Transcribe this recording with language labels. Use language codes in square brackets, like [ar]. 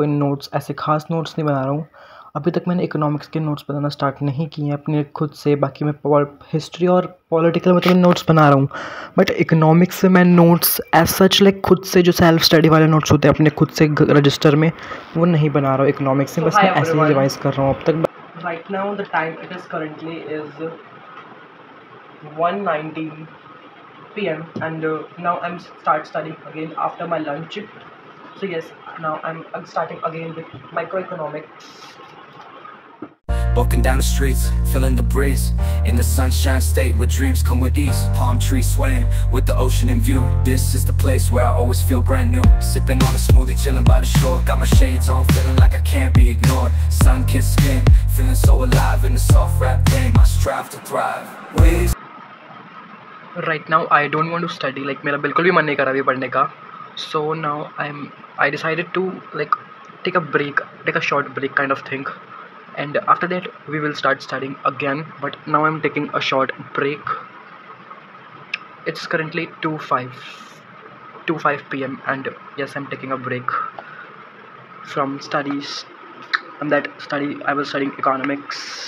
[hi] कोई नोट्स ऐसे खास नोट्स नहीं बना रहा हूँ अभी तक. मैंने इकोनॉमिक्स के नोट्स बनाना स्टार्ट नहीं किए हैं अपने खुद से. बाकी मैं हिस्ट्री और पॉलिटिकल मतलब नोट्स बना रहा हूँ, बट इकोनॉमिक्स से मैं नोट्स एज सच लाइक खुद से जो सेल्फ स्टडी वाले नोट्स होते हैं अपने खुद से रजिस्टर में वो नहीं बना रहा हूँ इकोनॉमिक्स में. बस मैं ऐसे ही रिवाइज कर रहा हूँ अब तक. [en] Right now the time it is currently is 1:19 PM and now I'm start studying again after my lunch. So yes, now I'm starting again with microeconomics. Walking down the streets, feeling the breeze in the sunshine state where dreams come with ease. Palm trees swaying with the ocean in view. This is the place where I always feel brand new. Sipping on a smoothie, chilling by the shore. Got my shades on, feeling like I can't be ignored. Sun-kissed skin, feeling so alive in the soft rap game. I strive to thrive. Waves. Right now I don't want to study, [hi] like मेरा बिल्कुल भी मन नहीं कर रहा अभी पढ़ने का. [en] So now I decided to like take a break, take a short break kind of thing and after that we will start studying again. But now I am taking a short break. It's currently 2:05 PM and yes I am taking a break from studies and that study I was studying economics.